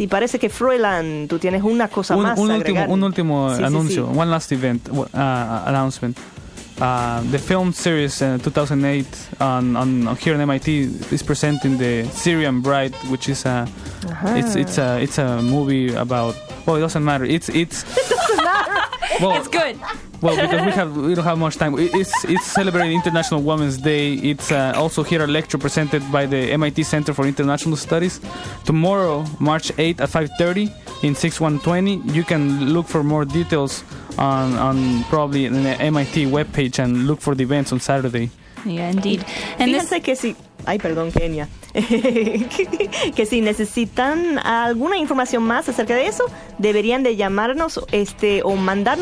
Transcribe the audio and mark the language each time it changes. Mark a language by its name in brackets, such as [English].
[Spanish] Y parece que Froilán, tú tienes una cosa más. Un último sí, anuncio. Sí, sí. [English] One last event announcement. The film series 2008 on here at MIT is presenting the Syrian Bride, which is a it's a movie about, well, it doesn't matter. Well, it's good. Well, because we don't have much time. It's celebrating International Women's Day. It's also here a lecture presented by the MIT Center for International Studies. Tomorrow, March 8th at 5:30 in 6120, you can look for more details on probably in the MIT webpage and look for the events on Saturday. Yeah, indeed. And [Spanish] fíjense [English] this, [Spanish] que si, Ay, perdón, Kenia. Que si necesitan alguna información más acerca de eso, deberían de llamarnos o mandarnos